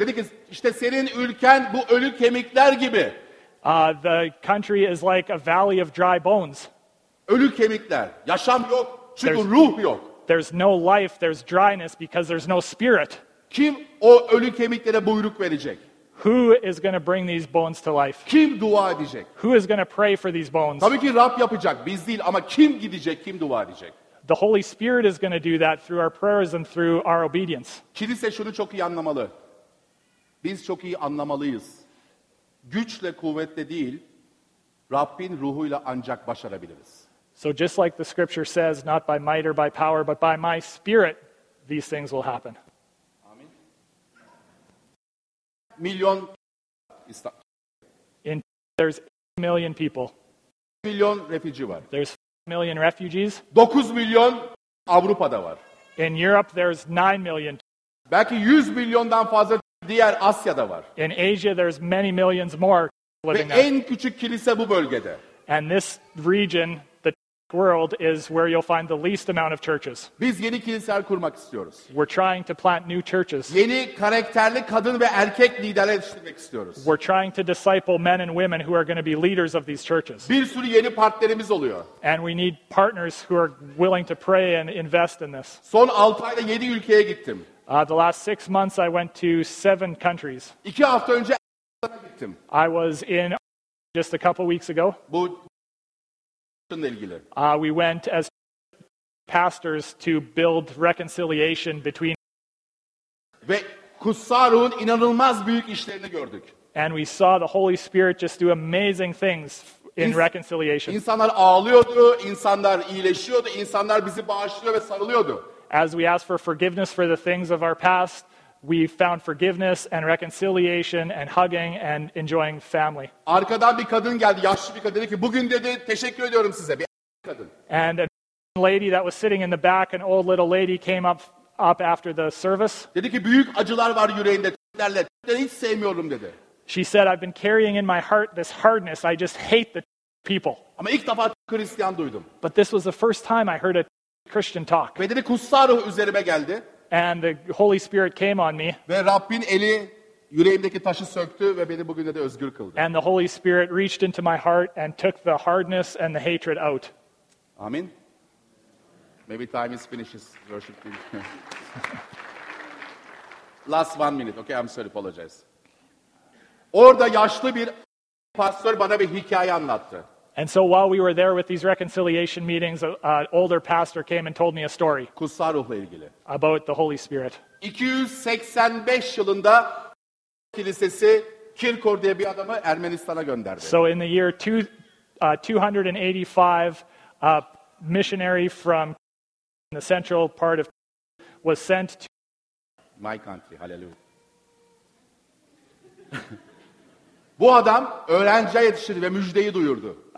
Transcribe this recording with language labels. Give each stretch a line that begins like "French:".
Turkish: Dedi ki işte senin ülken bu ölü kemikler gibi.
English: The country is like a valley of dry bones.
Turkish: Ölü kemikler. Yaşam yok. Çünkü ruh yok.
English: There's no life, there's dryness because there's no spirit.
Turkish: Kim o ölü kemiklere buyruk verecek?
English: Who is going to bring these bones to life?
Turkish: Kim dua edecek?
English: Who is going to pray for these bones?
Turkish: Tabii ki Rab yapacak. Biz değil ama kim gidecek, kim dua edecek?
English: The Holy Spirit is going to do that through our prayers and through our obedience.
Turkish: Kilise şunu çok iyi anlamalı. Biz çok iyi anlamalıyız. Güçle, kuvvetle değil, Rabbin ruhuyla ancak başarabiliriz.
English: So just like the scripture says, not by might or by power, but by my spirit, these things will happen.
Turkish: Amin. Milyon.
English: There's 8 million people.
Turkish: 1 milyon refüji var.
English: There's 9 million refugees.
Turkish: 9 milyon Avrupa'da var.
English: In Europe there's 9 million.
Turkish: Belki 100 milyondan fazla diğer Asya'da var.
English: In Asia there's many millions more living
Turkish: there. Ve en küçük kilise bu bölgede.
English: And this region, the world, is where you'll find the least amount of churches.
Turkish: Biz yeni kiliseler kurmak istiyoruz.
English: We're trying to plant new churches.
Turkish: Yeni karakterli kadın ve erkek liderler yetiştirmek istiyoruz.
English: We're trying to disciple men and women who are going to be leaders of these churches.
Turkish: Bir sürü yeni partnerimiz oluyor.
English: And we need partners who are willing to pray and invest in this.
Turkish: Son 6 ayda 7 ülkeye gittim.
English: The last 6 months I went to 7 countries.
Turkish: 2 hafta önce Arnavutluk'a gittim.
English: I was in just a couple weeks ago.
Turkish: Bu
English: We went as pastors to build reconciliation between
Turkish: ve Kutsal Ruh'un inanılmaz büyük işlerini gördük.
English: And we saw the Holy Spirit just do amazing things in reconciliation.
Turkish: İnsanlar ağlıyordu, insanlar iyileşiyordu, insanlar bizi bağışlıyor ve sarılıyordu.
English: As we asked for forgiveness for the things of our past, we found forgiveness and reconciliation and hugging and enjoying family.
Turkish: Arkadan bir kadın geldi, yaşlı bir kadın, dedi ki bugün dedi teşekkür ediyorum size, bir kadın.
English: And a lady that was sitting in the back, an old little lady came up after the service.
Turkish: Dedi ki büyük acılar var yüreğinde, tüklerle, tüklerle hiç sevmiyorum dedi.
English: She said I've been carrying in my heart this hardness, I just hate the people.
Turkish: Ama ilk defa Hristiyan duydum.
English: But this was the first time I heard a Christian talk.
Turkish: Ve dedi Kutsal Ruh üzerime geldi.
English: And the Holy Spirit came on me.
Turkish: Ve Rabbin eli yüreğimdeki taşı söktü ve beni bugün de özgür kıldı.
English: And the Holy Spirit reached into my heart and took the hardness and the hatred out. Amen. Maybe time is finishes worship. Last 1 minute. Okay, I'm sorry, apologize.
Turkish: Orada yaşlı bir pastör bana bir hikaye anlattı.
English: And so while we were there with these reconciliation meetings, an older pastor came and told me a story
Turkish: Kutsal Ruh'la ilgili.
English: About the Holy Spirit.
Turkish: 285 yılında kilisesi Kirkor diye bir adamı Ermenistan'a gönderdi.
English: So in the year 285, a missionary from the central part of was sent to my country. Hallelujah.
Turkish: Bu adam öğrenciye yetiştirdi ve müjdeyi duyurdu.